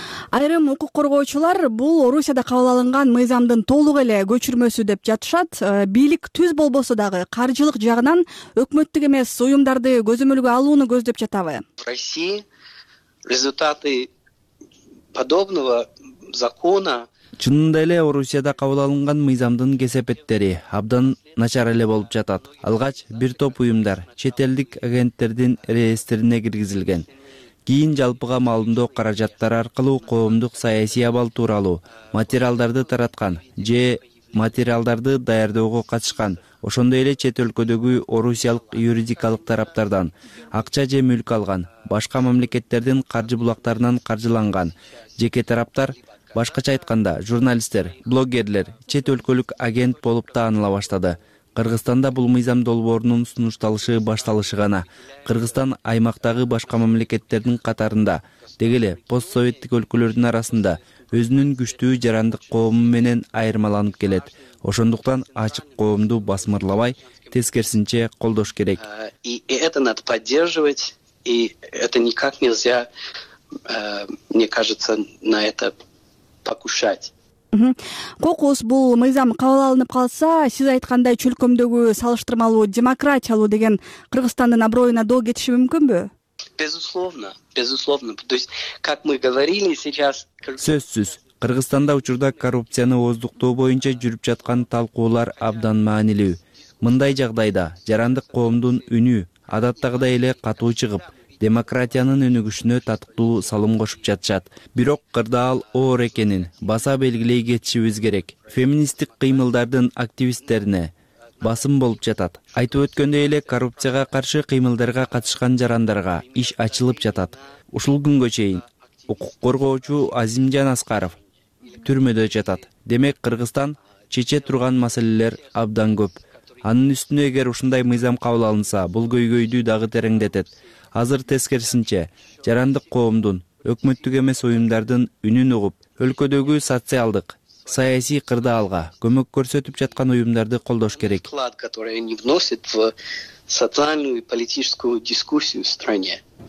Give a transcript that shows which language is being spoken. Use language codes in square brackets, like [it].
[ky] Айрым укук коргоочулар бул Орусияда кабыл алынган мыйзамдын толук эле көчүрмөсү деп жатышат. Бийлик түз болбосо дагы каржылык жагынан өкмөттүк эмес уюмдарды көзөмөлгө алууну көздөп жатабы? [ru] Результаты подобного закона. [ky] Чынында эле Орусияда кабыл алынган мыйзамдын кесепеттери абдан начар эле болуп жатат. Алгач бир топ уюмдар чет элдик агенттердин реестрине киргизилген. Кийин жалпыга маалымдоо каражаттары аркылуу коомдук саясий абал тууралуу материалдарды тараткан же материалдарды даярдоого катышкан. Ошондой эле чет өлкөдөгү орусиялык юридикалык тараптардан акча же мүлк алган, башка мамлекеттердин каржы булактарынан каржыланган жеке тараптар, башкача айтканда журналисттер, блогерлер чет өлкөлүк агент болуп таанила баштады. Кыргызстанда бул мыйзам долбоорунун сунушталышы башталышы гана. Кыргызстан аймактагы башка мамлекеттердин катарында, деги эле постсоветтик өлкөлөрдүн арасында өзүнүн күчтүү жарандык коому менен айырмаланып келет. Ошондуктан ачык коомду басмырлабай, тескерисинче колдош керек. [ru] И это надо поддерживать и это никак нельзя, мне кажется, на это покушать. [ky] Кокус бул мыйзам кабыл алынып калса, сиз айткандай чөлкөмдөгү салыштырмалуу демократиялуу деген Кыргызстандын аброюна доо кетиши мүмкүнбү? [ru] Безусловно, безусловно. То есть, как мы говорили сейчас... [ky] Сөзсүз. Кыргызстанда учурда коррупцияны оздуктоо боюнча жүрүп жаткан талкуулар абдан маанилүү. Мындай жагдайда жарандык коомдун үнү адаттагыдай эле катуу чыгып, демократиянын өнүгүшүнө татыктуу салым кошуп жатышат. Бирок кырдаал оор экенин баса белгилей кетишибиз керек. Феминисттик кыймылдардын активисттерине басым болуп жатат. Айтып өткөндөй эле коррупцияга каршы кыймылдарга катышкан жарандарга иш ачылып жатат. Ушул күнгө чейин укук коргоочу Азимжан Аскаров түрмөдө жатат. Демек Кыргызстан чече турган маселелер абдан көп. Анын үстүнө эгер ушундай мыйзам кабыл алынса, бул көйгөйдү дагы тереңдетет. Азыр тескерисинче жарандык коомдун, өкмөттүк эмес уюмдардын үнүн угуп, өлкөдөгү социалдык, саясий кырдаалга көмөк көрсөтүп жаткан уюмдарды колдош керек. [ru] Вклад, который они вносят в социальную и политическую дискуссию в стране.